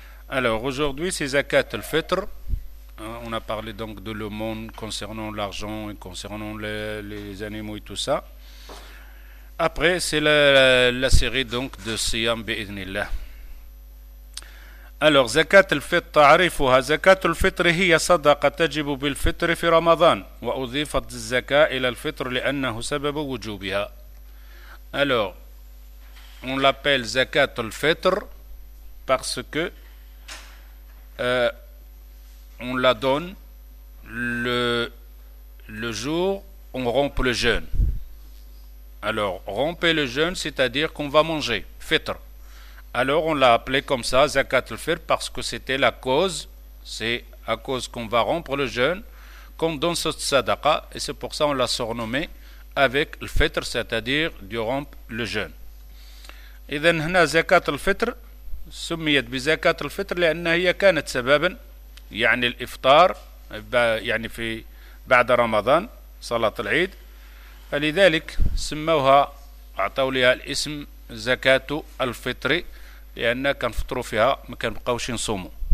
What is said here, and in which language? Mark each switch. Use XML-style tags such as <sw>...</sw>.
<fr>Alors aujourd'hui c'est zakat al-fitr. On a parlé donc de le monde concernant l'argent et concernant les animaux et tout ça. Après c'est la série donc de siyam bi-idhnillah.</fr> <ar>Alors zakat al-fitr, ta'arifuha, zakat al-fitr هي صدقة تجب بالفطر في رمضان وأضيفت الزكاة إلى الفطر لأنه سبب وجوبها.</ar> <fr>Alors on l'appelle zakat al-fitr parce que on la donne le jour où on rompt le jeûne. Alors rompre le jeûne, c'est-à-dire qu'on va manger fitr. Alors on l'a appelé comme ça, zakat al-fitr, parce que c'était la cause, c'est à cause qu'on va rompre le jeûne qu'on donne cette sadaqa, et c'est pour ça on l'a surnommé avec le fitr, c'est-à-dire du rompre le jeûne. Et donc</fr> <ar>هنا zakat al-fitr سميت بزكاة الفطر لأن هي كانت سببا يعني الإفطار يعني في بعد رمضان صلاة العيد، فلذلك سموها أعطوا لها الاسم زكاة الفطر لأن كان فطروا فيها ما كان بقوش نصوموا.</ar>